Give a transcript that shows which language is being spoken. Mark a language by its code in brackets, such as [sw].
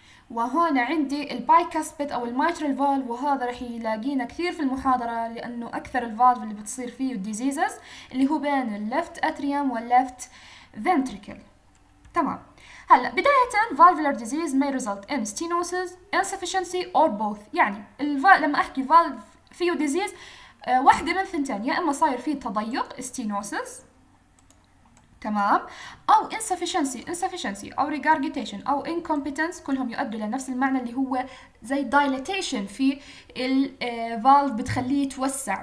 [ar] وهون عندي البايكاسبيد او الميترال فالف، وهذا رح يلاقينا كثير في المحاضرة لانه اكثر الفالف اللي بتصير فيه الديزيزز اللي هو بين الليفت اتريوم والليفت فنتريكل. تمام، هلا بداية [en] valvular disease may result in stenosis, insufficiency or both. [ar] يعني لما احكي valve فيه disease واحدة من ثنتين، يا اما صاير فيه تضيق stenosis، تمام، او insufficiency او regurgitation او incompetence، كلهم يؤدوا لنفس المعنى اللي هو زي dilatation في الفالف بتخليه يتوسع.